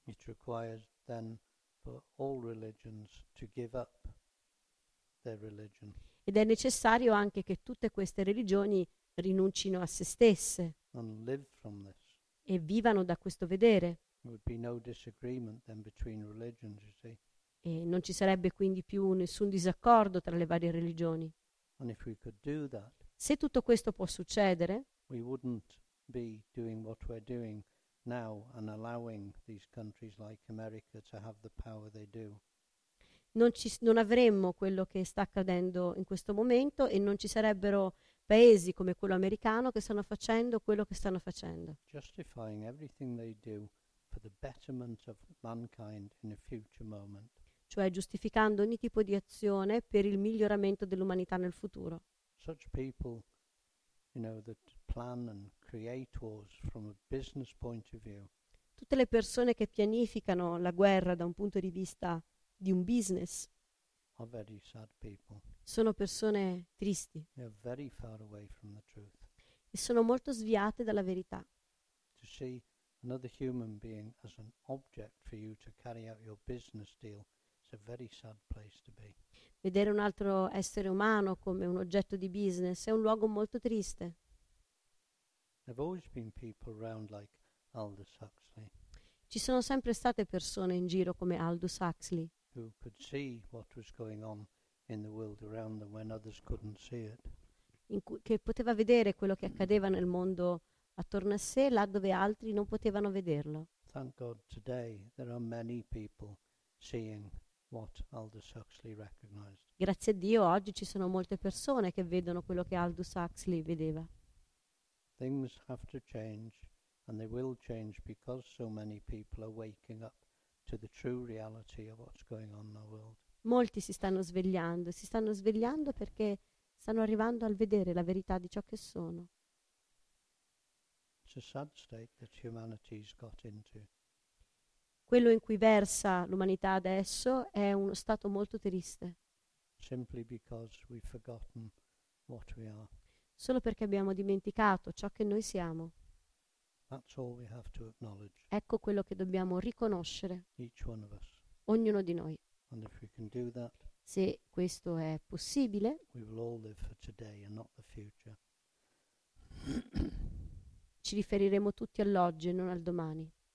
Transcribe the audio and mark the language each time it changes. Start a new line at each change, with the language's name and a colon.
English: It requires then for all religions to give up their religion.
Italian: Ed è necessario anche che tutte queste religioni rinuncino a se stesse.
English: And live from this.
Italian: E vivano da questo vedere.
English: There would be no disagreement then between religions, you see.
Italian: E non ci sarebbe quindi più nessun disaccordo tra le varie religioni.
English: And if we could do that,
Italian: se tutto questo può succedere,
English: we wouldn't be doing what we're doing now and allowing these countries like America to have the power they do.
Italian: Non avremmo quello che sta accadendo in questo momento e non ci sarebbero paesi come quello americano che stanno facendo quello che stanno facendo.
English: Justifying everything they do for the betterment of mankind in a future moment.
Italian: Cioè giustificando ogni tipo di azione per il miglioramento dell'umanità nel futuro.
English: Such people, you know, that plan and create wars from a business point of view.
Italian: Tutte le persone che pianificano la guerra da un punto di vista di un business
English: are very sad people.
Italian: Sono persone tristi.
English: They are very far away from the truth.
Italian: E sono molto sviate dalla verità.
English: To see another human being as an object for you to carry out your business deal. It's a very sad place to be.
Italian: Vedere un altro essere umano come un oggetto di business è un luogo molto triste.
English: There've always been people around like Aldous Huxley.
Italian: Ci sono sempre state persone in giro come Aldous Huxley.
English: Who could see what was going on in the world around them when others couldn't see it.
Italian: Che poteva vedere quello che accadeva nel mondo attorno a sé là dove altri non potevano vederlo.
English: Thank God today there are many people seeing what Aldous Huxley recognized.
Italian: Grazie a Dio oggi ci sono molte persone che vedono quello che Aldous Huxley vedeva.
English: Things have to change and they will change because so many people are waking up to the true reality of what's going on in the world.
Italian: Molti si stanno svegliando perché stanno arrivando al vedere la verità di ciò che sono.
English: It's a sad state that humanity's got into.
Italian: Quello in cui versa l'umanità adesso è uno stato molto triste.
English: Simply because we've forgotten what we are.
Italian: Solo perché abbiamo dimenticato ciò che noi siamo.
English: That's all we have to acknowledge.
Italian: Ecco quello che dobbiamo riconoscere.
English: Each one of us.
Italian: Ognuno di noi.
English: And if we can do that,
Italian: se questo è possibile,
English: we will all live for today and not the future.
Italian: Ci riferiremo tutti all'oggi e non al domani.